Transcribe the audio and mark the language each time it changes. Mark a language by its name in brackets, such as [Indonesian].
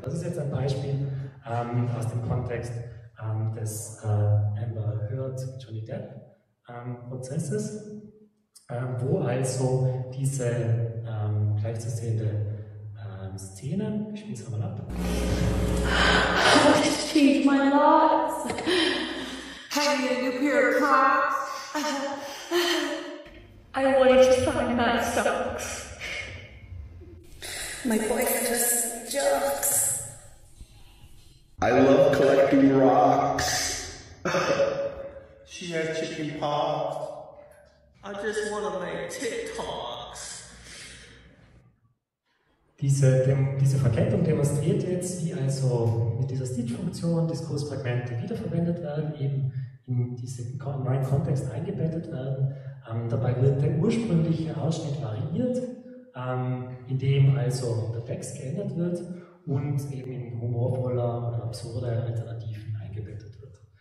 [German] Das ist jetzt ein Beispiel aus dem Kontext des Amber Heard Johnny Depp Prozesses, wo also diese gleichzusehende Szene, ich spiele es nochmal ab. [English] I've changed my lives. Having a new pair of Crocs. I wanted to find my socks. My boyfriend just jokes. I love collecting rocks. She has chicken pox. I just want to make TikToks. [German] Diese Verkettung demonstriert jetzt, wie also mit dieser Stitch-Funktion Diskursfragmente wiederverwendet werden, eben in diesen neuen Kontext eingebettet werden. Dabei wird der ursprüngliche Ausschnitt variiert, indem also der Text geändert wird und eben in humorvoller oder absurder Alternativen eingebettet wird.